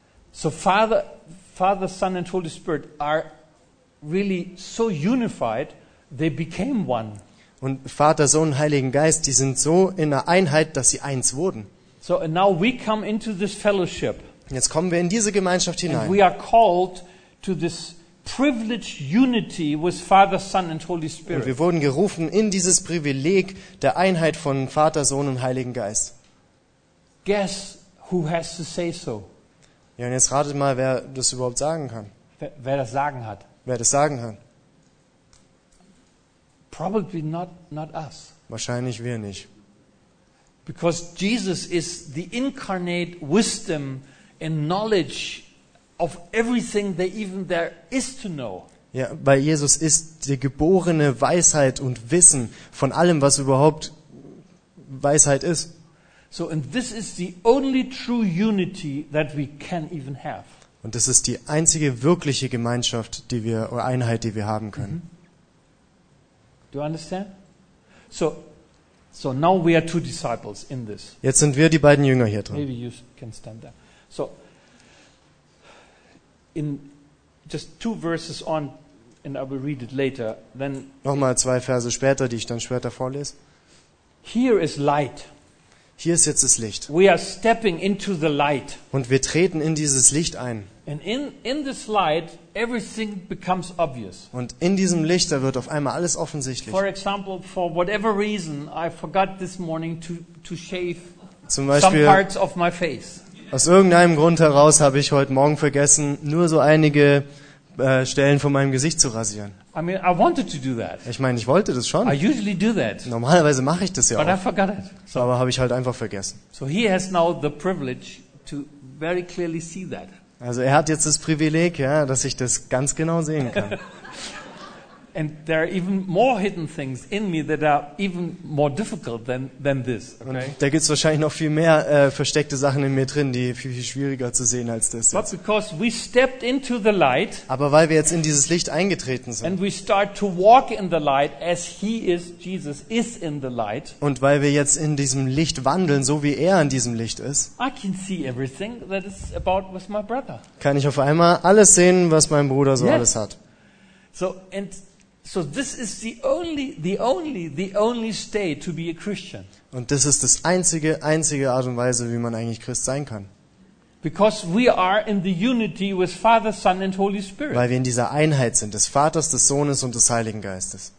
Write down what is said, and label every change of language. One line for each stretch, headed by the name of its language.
English: So Father, Son and Holy Spirit are really so unified, they became one.
German: Und Vater, Sohn und Heiligen Geist, die sind so in einer Einheit, dass sie eins wurden.
English: So and now we come into this fellowship.
German: Jetzt kommen wir in diese Gemeinschaft hinein.
English: And we are called to this privileged unity with Father, Son and Holy Spirit.
German: Und wir wurden gerufen in dieses Privileg der Einheit von Vater, Sohn und Heiligen Geist.
English: Guess who has to say so?
German: Ja, und jetzt ratet mal, wer das überhaupt sagen kann. Wer das sagen hat. Wer das sagen kann.
English: Probably not us.
German: Wahrscheinlich wir nicht.
English: Because Jesus is the incarnate wisdom and knowledge of everything that even there is to know.
German: Ja, weil Jesus ist die geborene Weisheit und Wissen von allem, was überhaupt Weisheit ist.
English: So and this is the only true unity that we can even have.
German: Und das ist die einzige wirkliche Gemeinschaft, die wir oder Einheit, die wir haben können.
English: Mm-hmm. Do you understand? So now we are two disciples in this.
German: Jetzt sind wir die beiden Jünger hier drin.
English: Maybe you can stand there. So in just two verses on, and I will read it later. Then
German: nochmal zwei Verse später, die ich dann später vorlese.
English: Here is light.
German: Hier ist jetzt das Licht.
English: We are stepping into the light.
German: Und wir treten in dieses Licht ein.
English: And in this light, everything becomes obvious.
German: Und in diesem Licht, da wird auf einmal alles offensichtlich.
English: For example, for whatever reason, I forgot this morning to shave
German: zum Beispiel,
English: some parts of my face.
German: Aus irgendeinem Grund heraus habe ich heute Morgen vergessen, nur so einige Stellen von meinem Gesicht zu rasieren.
English: I mean, I wanted to do that.
German: Ich meine, ich wollte das schon.
English: I usually do that.
German: Normalerweise mache ich das ja
English: But
German: auch.
English: I forgot it.
German: So, aber habe ich halt einfach vergessen.
English: So he has now the privilege to very clearly see that.
German: Also er hat jetzt das Privileg, ja, dass ich das ganz genau sehen kann.
English: And there are even more hidden things in me that are even more difficult than this. Okay?
German: Und da gibt's wahrscheinlich noch viel mehr versteckte Sachen in mir drin, die viel, viel schwieriger zu sehen als das.
English: But because we stepped into the light.
German: Aber weil wir jetzt in dieses Licht eingetreten sind.
English: And we start to walk in the light as he is, Jesus is in the light.
German: Und weil wir jetzt in diesem Licht wandeln, so wie er in diesem Licht ist.
English: I can see everything that is about with my brother.
German: Kann ich auf einmal alles sehen, was mein Bruder so
English: yes.
German: alles hat.
English: So and so this is the only state to be a Christian.
German: Und das ist das einzige Art und Weise, wie man eigentlich Christ sein kann.
English: Because we are in the unity with Father, Son and Holy Spirit.
German: Weil wir in dieser Einheit sind des Vaters, des Sohnes und des Heiligen Geistes.